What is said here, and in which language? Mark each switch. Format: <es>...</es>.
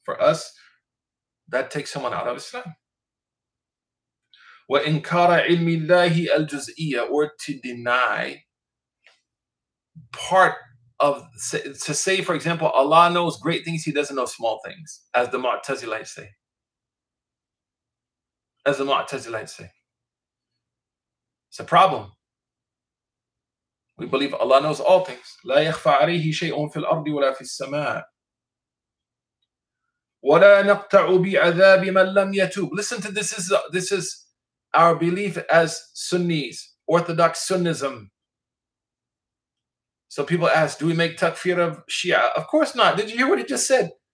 <en>For us, that takes someone out of Islam.</en> <ar>وَإِنْكَارَ عِلْمِ اللَّهِ الْجُزْئِيَةِ,</ar> <en>or to deny part of, to say, for example, Allah knows great things, he doesn't know small things, as the Mu'tazilites say. It's a problem. We believe Allah knows all things.</en> <ar>لا يخفى عليه شيء في الأرض ولا في السماء. ولا نقطع بعذاب من لم يتوب.</ar> <en>Listen to this. This is our belief as Sunnis, Orthodox Sunnism. So people ask, do we make takfir of Shia? Of course not. Did you hear what he just said?</en>